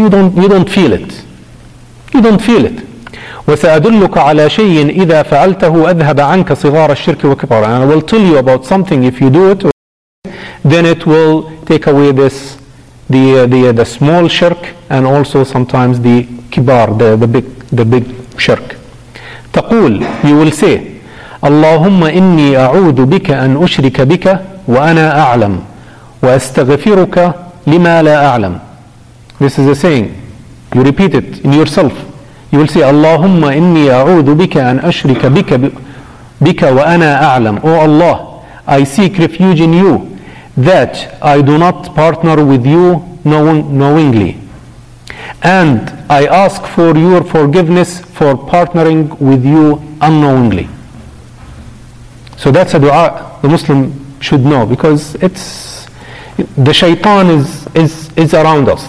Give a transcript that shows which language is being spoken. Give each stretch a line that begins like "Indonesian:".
English: You don't feel it.
Arabic: وَسَأَدُلُّكَ عَلَى شَيْءٍ إِذَا فَعَلْتَهُ أَذْهَبَ عَنْكَ صِغَارَ الشِّرْكِ وَكِبَارَ.
English: And I will tell you about something, if you do it, then it will take away the small shirk, and also sometimes the kibar, the big shirk.
Arabic: تقول,
English: you will say,
Arabic: اللهم إني أعوذ بك أن أشرك بك وأنا أعلم وأستغفرك لما لا أعلم.
English: This is a saying. You repeat it in yourself. You will say,
Arabic: اللهم إني أعوذ بك أن أشرك بك وأنا أعلم.
English: Oh Allah, I seek refuge in you that I do not partner with you knowingly. And I ask for your forgiveness for partnering with you unknowingly. So that's a dua the Muslim should know, because it's the shaitan is around us.